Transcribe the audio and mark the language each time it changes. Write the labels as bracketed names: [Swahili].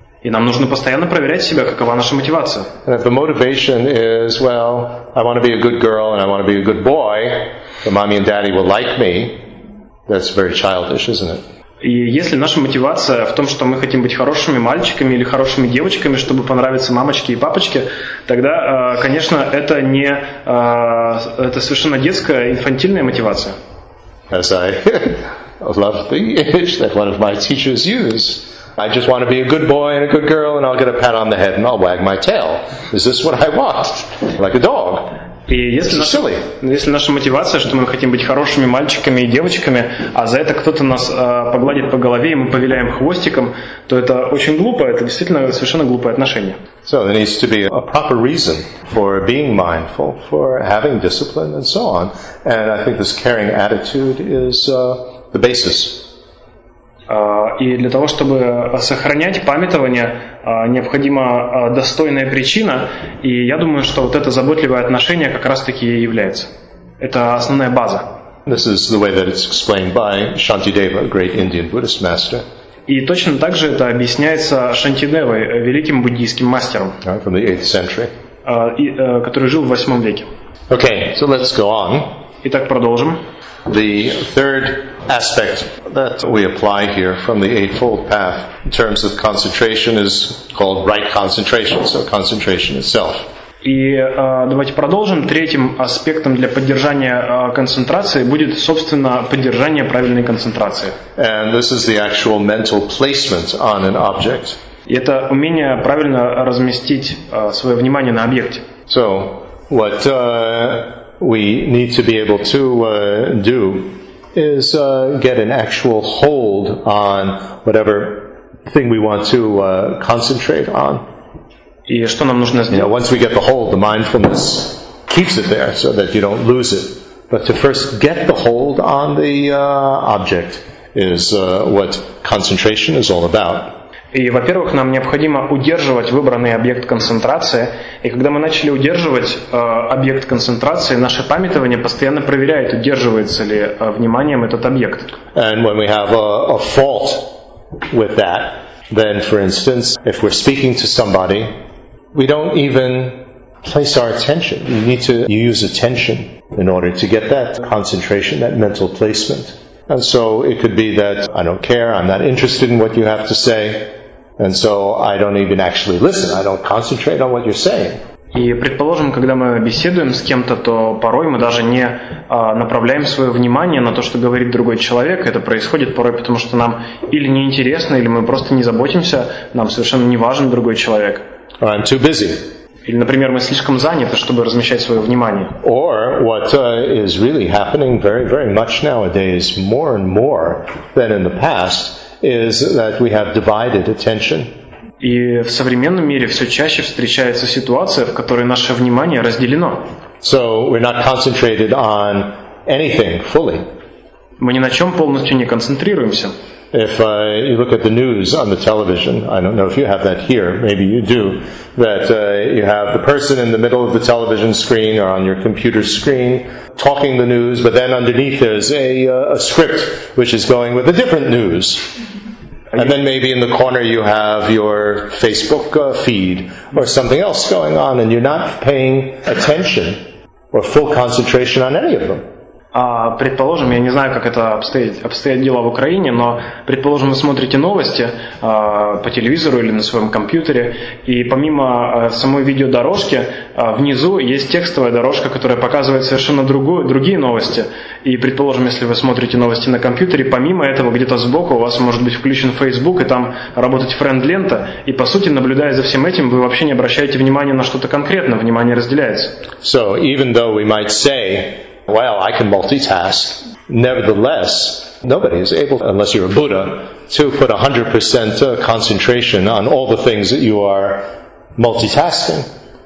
[Russian] И нам нужно постоянно проверять себя, какова наша мотивация. [English] And if the motivation is, well, I want to be a good girl and I want to be a good boy, but mommy and daddy will like me, that's very childish, isn't it? [Russian] И если наша мотивация в том, что мы хотим быть хорошими мальчиками или хорошими девочками, чтобы понравиться мамочке и папочке, тогда, конечно, это не, это совершенно детская, инфантильная мотивация. [English] As I... I love the image that one of my teachers used. I just want to be a good boy and a good girl, and I'll get a pat on the head and I'll wag my tail. Is this what I want? Like a dog. [Russian] Если наша мотивация, что мы хотим быть хорошими мальчиками и девочками, а за это кто-то нас погладит по голове и мы повиляем хвостиком, то это очень глупо, это действительно совершенно глупое отношение. [English] So there needs to be a proper reason for being mindful, for having discipline, and so on. And I think this caring attitude is the basis. [Russian] И для того, чтобы сохранять памятование, необходима достойная причина, и я думаю, что вот это заботливое отношение как раз-таки и является. Это основная база. [English] This is the way that it's explained by Shantideva, a great Indian Buddhist master. [Russian] И точно так же это объясняется Шантидевой, великим буддийским мастером, [English] from the 8th century. [Russian] Который жил в 8 веке. [English] Okay, so let's go on. [Russian] Итак, продолжим. [English] The third aspect that we apply here from the Eightfold Path in terms of concentration is called right concentration, so concentration itself. [Russian] И давайте продолжим. Третьим аспектом для поддержания концентрации будет, собственно, поддержание правильной концентрации. [English] And this is the actual mental placement on an object. [Russian] И это умение правильно разместить свое внимание на объекте. [English] So, what... we need to be able to do is get an actual hold on whatever thing we want to concentrate on. [Russian] И что нам нужно сделать? [English] You know, once we get the hold, the mindfulness keeps it there so that you don't lose it. But to first get the hold on the object is what concentration is all about. [Russian] И, во-первых, нам необходимо удерживать выбранный объект концентрации. И когда мы начали удерживать объект концентрации, наше памятование постоянно проверяет, удерживается ли вниманием этот объект. [English] And when we have a fault with that, then, for instance, if we're speaking to somebody, we don't even place our attention. You need to use attention in order to get that concentration, that mental placement. And so it could be that I don't care, I'm not interested in what you have to say, and so I don't even actually listen, I don't concentrate on what you're saying. [Russian] И предположим, когда мы беседуем с кем-то, то порой мы даже не направляем свое внимание на то, что говорит другой человек. Это происходит порой потому, что нам или неинтересно, или мы просто не заботимся, нам совершенно не важен другой человек. [English] Or I'm too busy. [Russian] Или, например, мы слишком заняты, чтобы размещать свое внимание. [English] Or what is really happening very, very much nowadays, more and more than in the past, is that we have divided attention. [Russian] И в современном мире все чаще встречается ситуация, в которой наше внимание разделено. [English] So we're not concentrated on anything fully. [Russian] Мы ни на чем полностью не концентрируемся. [English] If you look at the news on the television, I don't know if you have that here, maybe you do, that you have the person in the middle of the television screen or on your computer screen talking the news, but then underneath there's a script which is going with a different news. And then maybe in the corner you have your Facebook feed or something else going on, and you're not paying attention or full concentration on any of them. [Russian] Предположим, я не знаю, как это обстоят дела в Украине, но предположим, вы смотрите новости по телевизору или на своем компьютере, и помимо самой видеодорожки, внизу есть текстовая дорожка, которая показывает совершенно другие новости. И предположим, если вы смотрите новости на компьютере, помимо этого, где-то сбоку у вас может быть включен Facebook, и там работать френд-лента, и по сути, наблюдая за всем этим, вы вообще не обращаете внимания на что-то конкретное, внимание разделяется. [English] So, even though we might say, well, I can multitask. Nevertheless, nobody is able, unless you're a Buddha, to put 100% concentration on all the things that you are multitasking.